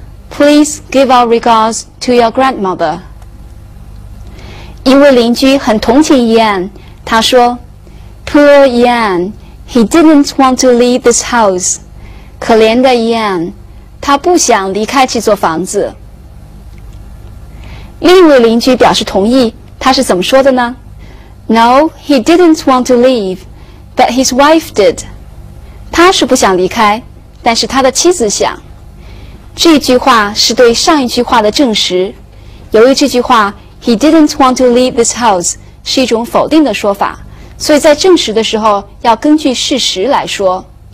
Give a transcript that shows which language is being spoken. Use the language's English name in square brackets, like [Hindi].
[English] Please give our regards to your grandmother. [Chinese] 一位邻居很同情 Ian, 他说 [English] Poor Ian, he didn't want to leave this house. [Chinese] 可怜的 Ian, 他不想离开这座房子。另一位邻居表示同意，他是怎么说的呢？ [English] No, he didn't want to leave, but his wife did. [Chinese] 他是不想离开，但是他的妻子想。这句话是对上一句话的证实。由于这句话 [English] he didn't want to leave this house [Chinese] 是一种否定的说法，所以在证实的时候要根据事实来说。